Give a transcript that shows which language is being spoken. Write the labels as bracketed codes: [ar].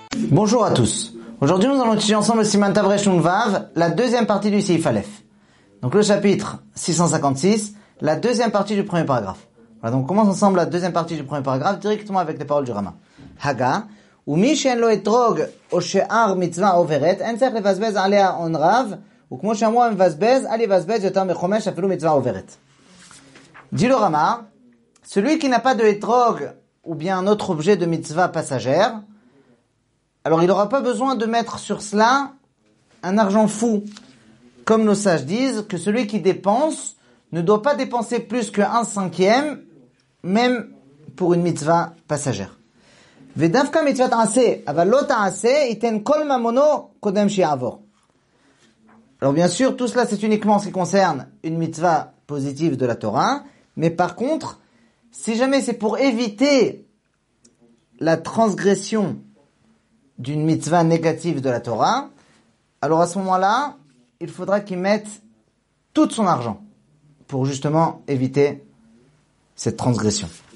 [fr] Bonjour à tous. Aujourd'hui, nous allons étudier ensemble le Siman Tavre Shun Vav, la deuxième partie du Seif Aleph. Donc le chapitre 656, la deuxième partie du premier paragraphe. Voilà, donc on commence ensemble la deuxième partie du premier paragraphe directement avec les paroles du Rama. [he] Haga. ומי שאין לו אתרוג או שאר מצווה עוברת, אין צריך לבזבז עליה און רב, וכמו שאמרו המבזבז, אל יבזבז יותר מחומש אפילו מצווה עוברת. [fr] Dit le Rama, celui qui n'a pas de etrog ou bien un autre objet de mitzvah passagère, alors il n'aura pas besoin de mettre sur cela un argent fou. Comme nos sages disent, que celui qui dépense ne doit pas dépenser plus qu'un cinquième, même pour une mitzvah passagère. [he] ודווקא מצוות עשה, אבל לא תעשה, ייתן כל ממונו קודם שיעבור. [fr] Alors bien sûr, tout cela c'est uniquement ce qui concerne une mitzvah positive de la Torah, mais par contre, si jamais c'est pour éviter la transgression d'une mitzvah négative de la Torah, alors à ce moment-là, il faudra qu'il mette tout son argent pour justement éviter cette transgression.